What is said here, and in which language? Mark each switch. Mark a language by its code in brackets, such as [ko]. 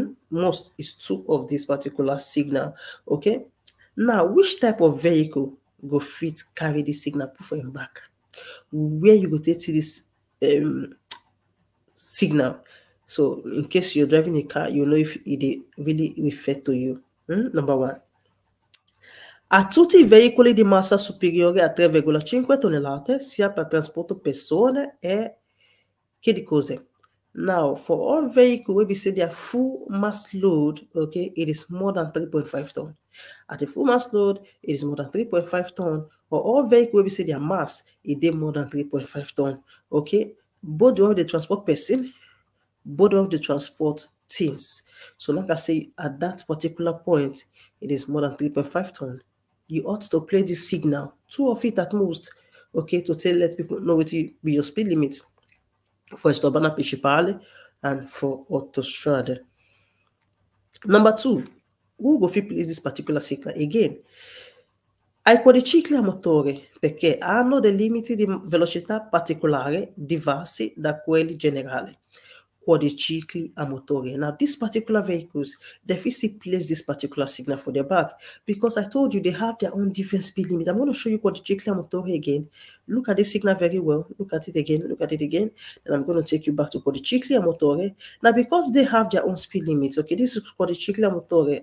[en] Most is two of this particular signal. Okay, now which type of vehicle go fit carry this signal before and back? Where you go take this signal? So in case you're driving a car, you know if it really refer to you. Number one. [it] A tutti i veicoli di massa superiore a 3,5 tonnellate, sia per trasporto persone e che di cose. [en] Now, for all vehicles, we say their full mass load, okay, it is more than 3.5 ton. At the full mass load, it is more than 3.5 ton. For all vehicles, we say their mass, it is more than 3.5 ton, okay? Both of the transport person, both of the transport things. So, like I say, at that particular point, it is more than 3.5 ton. You ought to play this signal, two of it at most, okay, to tell let people know what you, be your speed limit for suburban principale and for autostrada. Number two, who go fit play this particular signal again? [it] Ai quadricicli a motore, perché hanno dei limiti di velocità particolari diversi da quelli generali. Quadricicli a motore. [en] Now, these particular vehicles, they physically place this particular signal for their bike because I told you they have their own different speed limit. I'm going to show you quadricicli a motore again. Look at this signal very well. Look at it again. Look at it again. And I'm going to take you back to quadricicli a motore. Now, because they have their own speed limits, okay, this is quadricicli a motore.